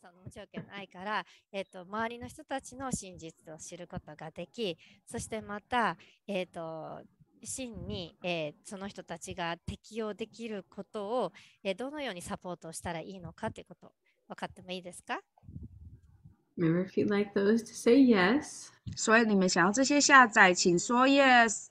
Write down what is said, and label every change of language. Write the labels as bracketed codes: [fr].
[ja] 条件の愛から、周りの人たちの真実を知ることができ、そしてまた、真に、その人たちが適応できることを、どのようにサポートしたらいいのかということ、分かってもいいですか？ [en] Remember if you'd like those to say yes. [zh] 所以你们想要这些下载，请说 [en] yes.